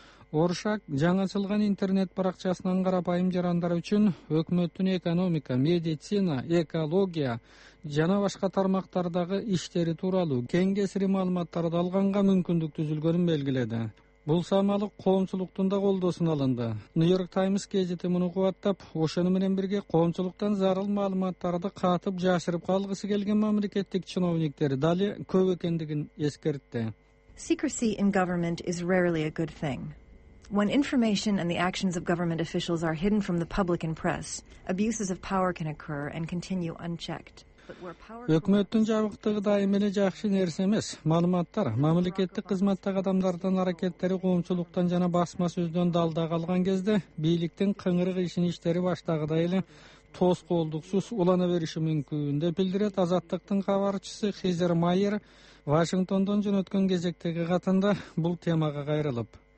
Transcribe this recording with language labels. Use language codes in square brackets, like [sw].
[ky] Оршак жаңы ачылган интернет баракчасынан карапайым жарандар үчүн өкмөттүн экономика, медицина, экология жана башка тармактардагы иштери тууралуу кең кесири маалыматтарды алганга мүмкүндүк түзүлгөнүн белгиледи. Бул саамалык коомчулуктун да колдоосуна алынды. Нью-Йорк Таймс гезити муну кубаттап, ошону менен бирге коомчулуктан зарыл маалыматтарды катып жашырып калгысы келген мамлекеттик чиновниктер дали көп экендигин эскертти. [en] Secrecy in government is rarely a good thing. When information and the actions of government officials are hidden from the public and press, abuses of power can occur and continue unchecked. [ky] Өкмөттүн жабыктыгы дайым эле жакшы нерсе эмес. Маалыматтар мамлекеттик кызматтагы адамдардын аракеттери коомчулуктан жана басма сөздөн далда калган кезде бийликтин кыңырык ишин иштери баштагыдай эле тоскоолдуксуз улана бериши мүмкүн деп билдирет Азаттыктын кабарчысы Хизер Майер Вашингтондон жөнөткөн кезектеги катында бул темага кайрылып.